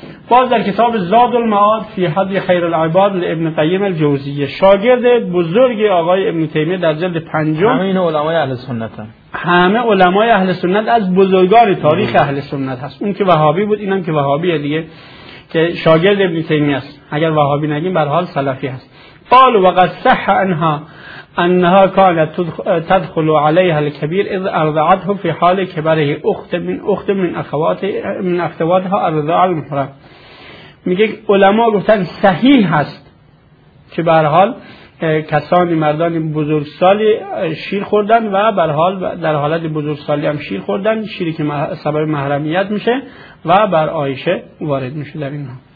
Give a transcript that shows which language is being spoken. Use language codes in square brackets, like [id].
[fa] باز در کتاب زاد المعاد فی حد خیر العباد لابن قیم الجوزیه، شاگرد بزرگ آقای ابن تیمیه در جلد پنجم، همه این علمای اهل سنت هم. همه علمای اهل سنت از بزرگان تاریخ اهل سنت هست. اون که وهابی بود، اینم که وهابیه دیگه، که شاگرد ابن تیمیه است. اگر وهابی نگیم بر حال سلفی هست. [ar] قال وقد صح عنها انها كانت تدخل عليها الكبير اذ ارضعته في حال كبره اخت من اخواتها ارضاع المحرم. [fa] میگه علما گفتن صحیح هست که به هر حال کسانی مردان بزرگسالی شیر خوردن و به هر حال در حالت بزرگسالی هم شیر خوردن، شیری که سبب محرمیت میشه و بر عایشه وارد میشه در اینها.